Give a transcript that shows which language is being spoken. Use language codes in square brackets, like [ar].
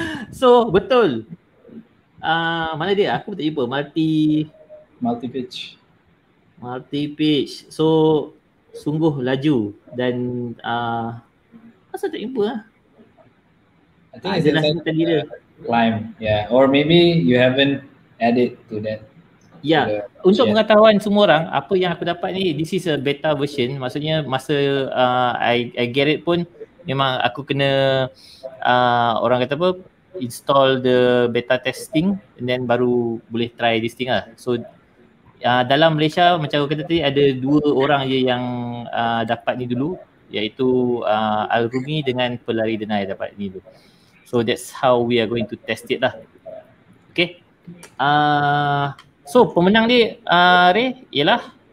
[ms] So betul. Mana dia? Aku tak jumpa. Multi pitch. Multi-page. So sungguh laju dan kenapa tak jumpa lah? [en] I think it's just like climb. Yeah, or maybe you haven't added to that. [ms] Yeah, untuk pengetahuan semua orang, apa yang aku dapat ni, [en] this is a beta version. [ms] Maksudnya masa [en] I get it [ms] pun memang aku kena orang kata apa, [en] install the beta testing and then [ms] baru boleh [en] try this thing [ms] lah. So dalam Malaysia macam aku kata tadi, ada dua orang je yang dapat ni dulu, iaitu Al-Rumi dengan pelari denai dapat ni dulu. [en] So that's how we are going to test it lah. Okay. [ms] So pemenang dia Ray ialah